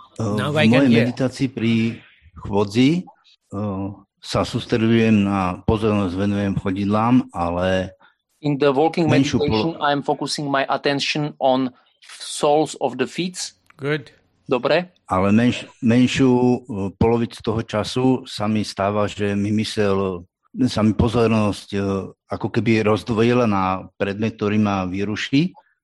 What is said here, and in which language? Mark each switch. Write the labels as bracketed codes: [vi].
[en] Now I can hear. [sk] V mojej meditácii pri chvodzi sa sústredujem na pozornosť venujem chodidlám, ale [en] in the walking meditation, I am focusing my attention on soles of the feet. Good. [sk] Dobre. Ale menšiu polovicu toho času sa mi stáva, že mi mysel, sa mi pozornosť ako keby rozdvojila na predmet, ktorý ma vyruší.